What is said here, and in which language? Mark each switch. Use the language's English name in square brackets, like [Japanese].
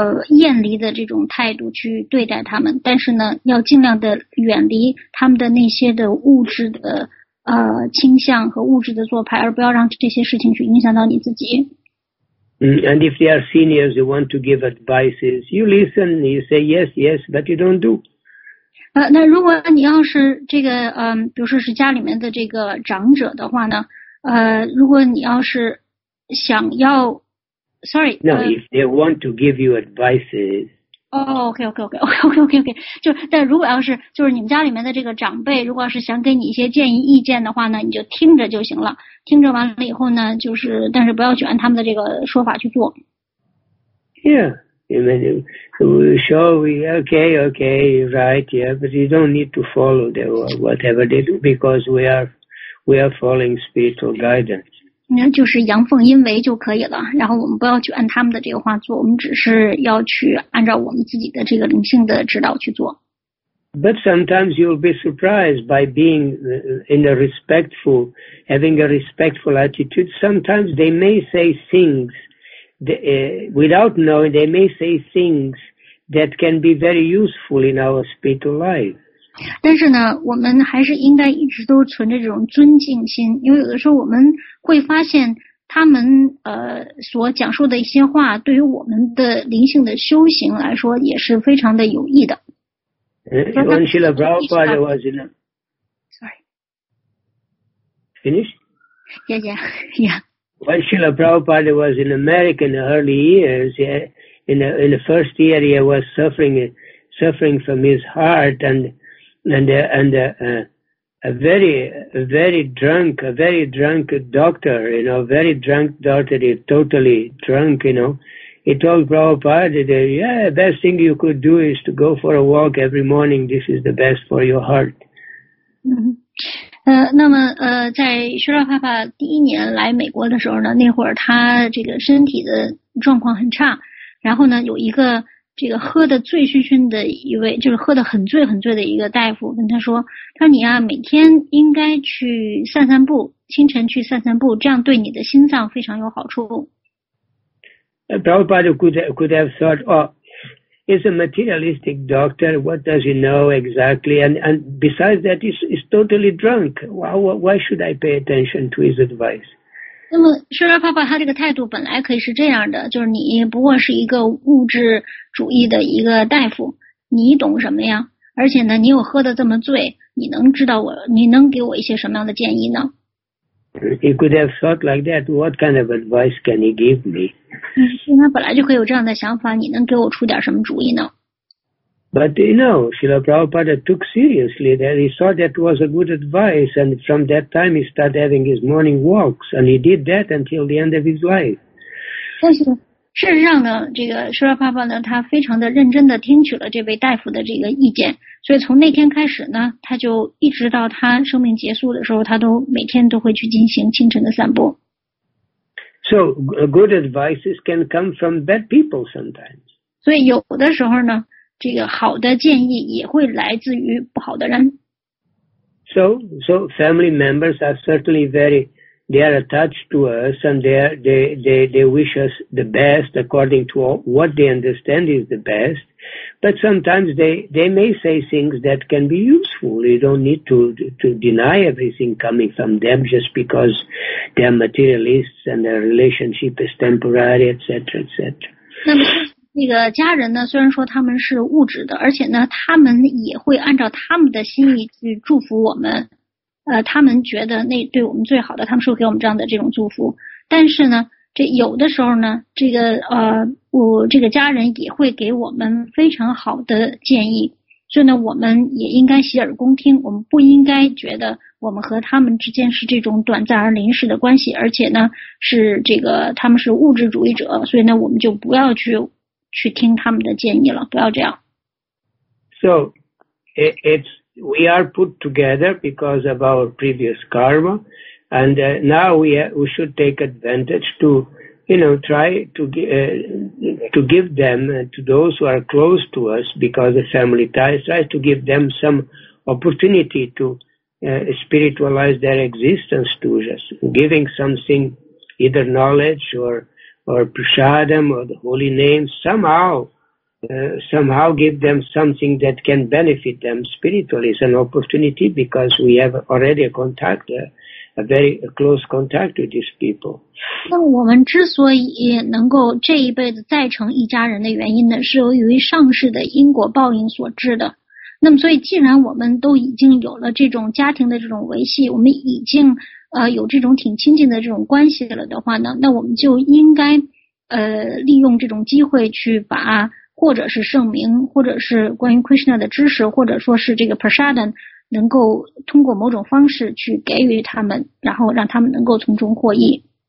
[Chinese] 厌离的这种态度去对待他们，但是呢要尽量的远离他们的那些的物质的倾向和物质的做派，而不要让这些事情去影响到你自己。 [English] And if they are seniors, you want to give advices, you listen, you say yes, yes, but you don't do. [Chinese] 那如果你要是这个比如说是家里面的这个长者的话呢，如果你要是想要 ， [English] sorry， no， if they want to give you advices. OK. [Chinese] 就但如果要是就是你们家里面的这个长辈，如果要是想给你一些建议意见的话呢，你就听着就行了。听着完了以后呢，就是但是不要卷他们的这个说法去做。 Yeah, I mean, sure, okay, right, yeah, but you don't need to follow them or whatever they do because we are following spiritual guidance. 就是阳奉阴违就可以了，然后我们不要去按他们的这个话做，我们只是要去按照我们自己的这个灵性的指导去做。 [English] But sometimes you'll be surprised by being in a respectful, having a respectful attitude. Sometimes they may say things without knowing, they may say things that can be very useful in our spiritual life. [Chinese] 但是呢，我们还是应该一直都存着这种尊敬心，因为有的时候我们会发现他们所讲述的一些话，对于我们的灵性的修行来说也是非常的有益的。 [English] When Srila Prabhupada was in a... Sorry. Finish? Yeah. When Srila Prabhupada was in America in the early years, in the first year he was suffering from his heart and a very drunk doctor, totally drunk, you know. He told Prabhupada that, yeah, the best thing you could do is to go for a walk every morning. This is the best for your heart. [Chinese] 那么在薛拉帕帕第一年来美国的时候呢，那会儿他这个身体的状况很差，然后呢有一个这个喝的醉醺醺的一位，就是喝的很醉很醉的一个大夫跟他说，他说你啊每天应该去散散步，清晨去散散步，这样对你的心脏非常有好处。 [English] Prabhupada could have thought, oh, he's a materialistic doctor, what does he know exactly? And besides that, he's totally drunk. Why should I pay attention to his advice? [Chinese] 那么舍拉帕帕他这个态度本来可以是这样的，就是你不过是一个物质主义的一个大夫，你懂什么呀？而且呢，你又喝得这么醉，你能给我一些什么样的建议呢？ [English] He could have thought like that. What kind of advice can he give me? [Chinese] 他本来就会有这样的想法，你能给我出点什么主意呢？ [English] But you know, Srila Prabhupada took seriously that he saw that was a good advice, and from that time he started having his morning walks, and he did that until the end of his life. [Chinese] 但是事实上呢，这个 Srila Prabhupada 呢，他非常的认真的听取了这位大夫的这个意见。所以从那天开始呢，他就一直到他生命结束的时候，他都每天都会去进行清晨的散步。 [English] So good advices can come from bad people sometimes. [Chinese] 所以有的时候呢，这个好的建议也会来自于不好的人。 [English] So family members are certainly they are attached to us and they wish us the best according to what they understand is the best. But sometimes they may say things that can be useful. You don't need to deny everything coming from them just because they are materialists and their relationship is temporary, etc., etc. [Chinese] 那么那个家人呢？虽然说他们是物质的，而且呢，他们也会按照他们的心意去祝福我们。他们觉得那对我们最好的，他们是会给我们这样的这种祝福。但是呢，这有的时候呢，这个我这个家人也会给我们非常好的建议，所以呢，我们也应该洗耳恭听。我们不应该觉得我们和他们之间是这种短暂而临时的关系，而且呢，是这个他们是物质主义者，所以呢，我们就不要去听他们的建议了，不要这样。 [English] So, it's we are put together because of our previous karma, and now we should take advantage to. You know, try to give them, to those who are close to us because of family ties, try to give them some opportunity to spiritualize their existence to us, giving something, either knowledge or, or prasadam or the holy name, somehow give them something that can benefit them spiritually. It's an opportunity because we have already a contact, a very close contact with these people. [Chinese] 那我们之所以能够这一辈子再成一家人的原因呢，是由于上世的因果报应所致的。那么所以既然我们都已经有了这种家庭的这种维系，我们已经有这种挺亲近的这种关系了的话呢，那我们就应该利用这种机会去把或者是圣名，或者是关于 Krishna 的知识，或者说是这个 prasadam 能够通过某种方式去给予他们，然后让他们能够从中获益。